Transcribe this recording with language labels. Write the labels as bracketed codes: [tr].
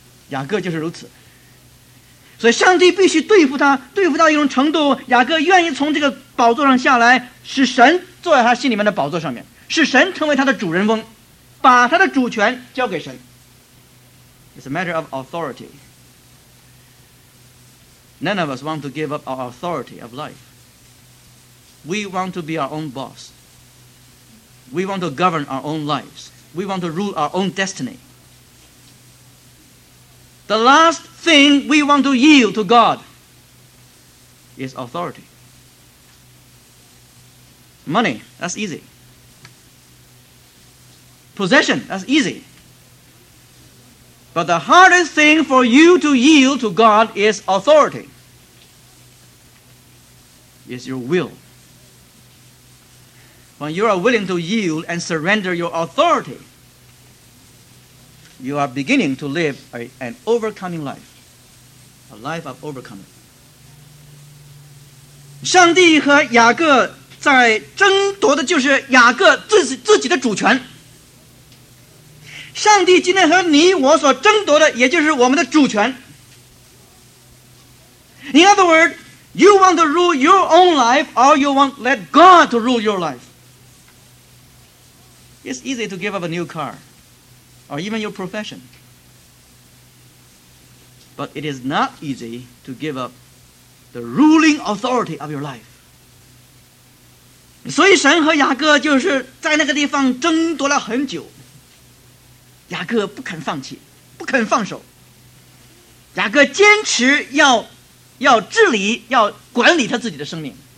[zh] 雅各就是如此，所以上帝必须对付他，对付到一种程度，雅各愿意从这个宝座上下来，使神坐在他心里面的宝座上面，使神成为他的主人翁，把他的主权交给神。 [en] It's a matter of authority. None of us want to give up our authority of life. We want to be our own bossWe want to govern our own lives. We want to rule our own destiny. The last thing we want to yield to God is authority. Money, that's easy. Possession, that's easy. But the hardest thing for you to yield to God is authority. It's your will. When you are willing to yield and surrender your authority, you are beginning to live an overcoming life, a life of overcoming. [zh] 上帝和雅各在争夺的就是雅各自己的主权。上帝今天和你我所争夺的，也就是我们的主权。 [en] In other words, you want to rule your own life, or you want to let God to rule your life. It's easy to give up a new car or even your profession. But it is not easy to give up the ruling authority of your life. [zh] 所以神和雅各就是在那个地方争夺了很久。雅各不肯放弃，不肯放手。雅各坚持要治理，要管理他自己的生命。